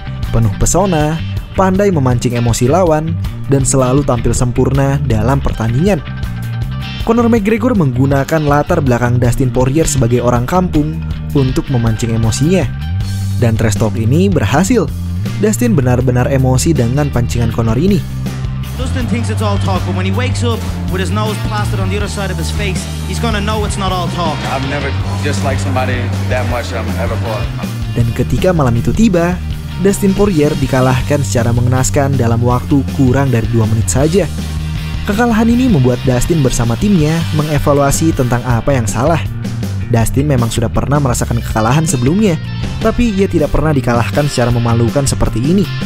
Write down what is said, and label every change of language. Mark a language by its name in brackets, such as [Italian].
[Indonesian] Penuh pesona, pandai memancing emosi lawan, dan selalu tampil sempurna dalam pertandingan. Conor McGregor menggunakan latar belakang Dustin Poirier sebagai orang kampung untuk memancing emosinya. Dan trash talk ini berhasil. Dustin benar-benar emosi dengan pancingan Conor ini. [English] Dustin thinks it's all talk, but when he wakes up with his nose plastered on the other side of his face, he's gonna know it's not all talk. I've never disliked somebody that much ever before. [Indonesian] Dan ketika malam itu tiba, Dustin Poirier dikalahkan secara mengenaskan dalam waktu kurang dari 2 menit saja. Kekalahan ini membuat Dustin bersama timnya mengevaluasi tentang apa yang salah. Dustin memang sudah pernah merasakan kekalahan sebelumnya, tapi ia tidak pernah dikalahkan secara memalukan seperti ini.